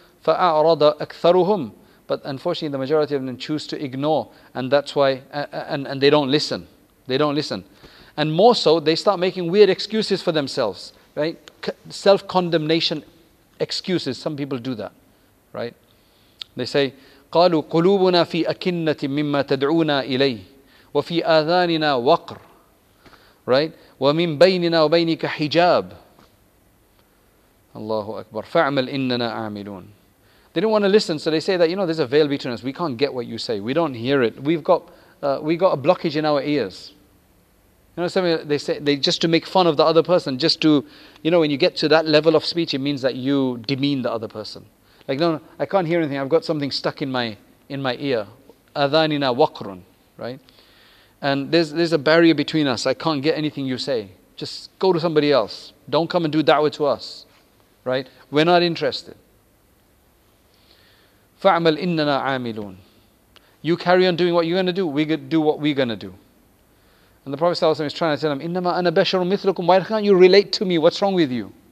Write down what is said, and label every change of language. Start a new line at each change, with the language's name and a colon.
Arabic: فَأَعْرَضَ أَكْثَرُهُمْ.
English: But unfortunately, the majority of them choose to ignore, and that's why, and they don't listen. They don't listen. And more so, they start making weird excuses for themselves, right? Self-condemnation excuses. Some people do that, right? They say,
Arabic: قَالُوا قُلُوبُنَا فِي أَكِنَّةٍ مِمَّا تَدْعُونَا إِلَيْهِ وَفِي آذَانِنَا وَقْرٍ, right? وَمِن بَيْنِنَا وَبَيْنِكَ حِجَابٍ. Allahu Akbar. فَعْمَلْ إِنَّنَا أَعْمِلُونَ.
English: They don't want to listen, so they say that, you know, there's a veil between us. We can't get what you say. We don't hear it. We've got a blockage in our ears. You know, something they say, they just to make fun of the other person, just to, you know, when you get to that level of speech, it means that you demean the other person. Like, no, I can't hear anything. I've got something stuck in my ear.
Arabic: أَذَانِنَا وَقْرٌ, right?
English: And there's a barrier between us. I can't get anything you say. Just go to somebody else. Don't come and do da'wah to us. Right? We're not interested.
Arabic: فَعْمَلْ إِنَّنَا عَامِلُونَ.
English: You carry on doing what you're going to do. We do what we're going to do. And the Prophet ﷺ is trying to tell him,
Arabic: إِنَّمَا أَنَا بَشَرٌ مِثْلُكُمْ.
English: Why can't you relate to me? What's wrong with you?